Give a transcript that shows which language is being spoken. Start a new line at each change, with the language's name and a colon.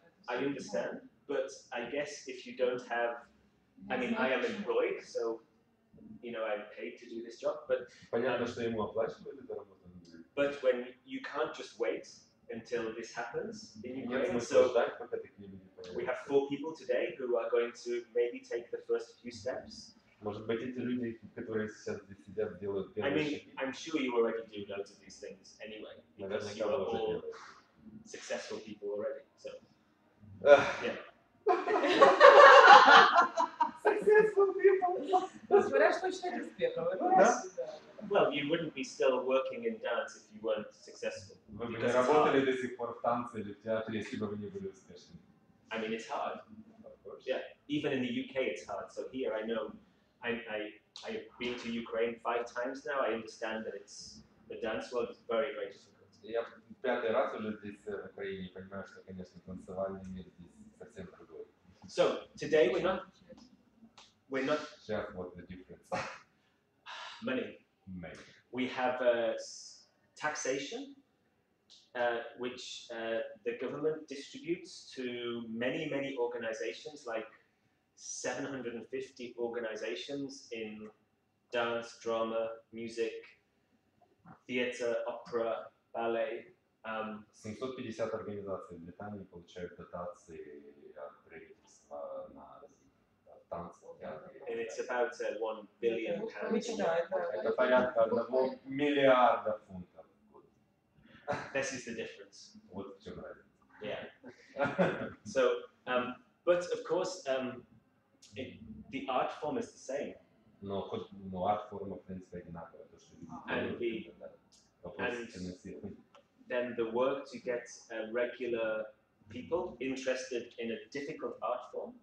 English: I understand, but I guess if you don't have, I mean, I am employed, so you know, I'm paid to do this job, but when you can't just wait until this happens in Ukraine, so we have four people today who are going to maybe take the first few steps.
Russian: Может быть, эти люди, которые сейчас здесь сидят, делают первые
English: I mean,
Russian: шаги.
English: I'm sure you already do loads of these things anyway.
Russian: Наверное,
English: you are all successful people already, so... Successful people! Well, you wouldn't be still working in dance if you weren't successful.
Russian: Вы бы не работали до сих пор в танце или в театре, если бы вы не были успешны.
English: I mean, it's hard. Yeah, even in the UK it's hard, so here I know... I've been to Ukraine 5 times now. I understand that it's the dance world is very, very difficult.
Russian: Я пятый раз уже здесь в Украине, понимаю, что, конечно, танцевальный мир здесь совсем другой.
English: So today we're not. Chef, what's the difference? Money. Money. We have taxation, which the government distributes to many, many organizations like. 750 organizations in dance, drama, music, theater, opera, ballet.
Russian: 750 организаций в Британии получают дотации от правительства на танцы, театры.
English: And it's about £1 billion.
Russian: Это порядка 1 миллиарда фунтов в год.
English: This is the difference.
Russian: Вот в чем разница.
English: Yeah. So, but of course, the art form is the same. No, but no art form of dance is not the same. And then the work to get regular people interested in a difficult art form.